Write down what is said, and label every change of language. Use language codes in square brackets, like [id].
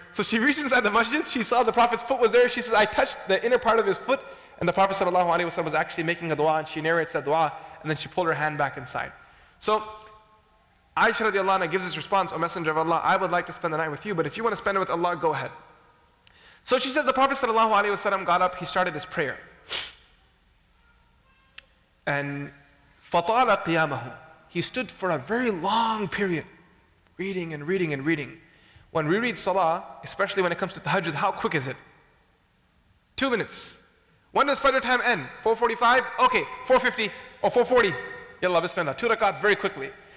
[en] So she reached inside the masjid, she saw the Prophet's foot was there, she says, I touched the inner part of his foot, and the Prophet sallallahu alaihi wasallam was actually making a dua, and she narrates that dua, and then she pulled her hand back inside. So Aisha radiallahu anha gives this response, O Messenger of Allah, I would like to spend the night with you, but if you want to spend it with Allah, go ahead. So she says, the Prophet sallallahu alaihi wasallam got up, he started his prayer. [ar] And فَطَالَ قِيَامَهُ. [en] He stood for a very long period, reading and reading and reading. When we read salah, especially when it comes to tahajjud, how quick is it? 2 minutes. When does fajr time end? 4:45? Okay, 4:50 or 4:40. Yalla, bismillah. Two rakat, very quickly.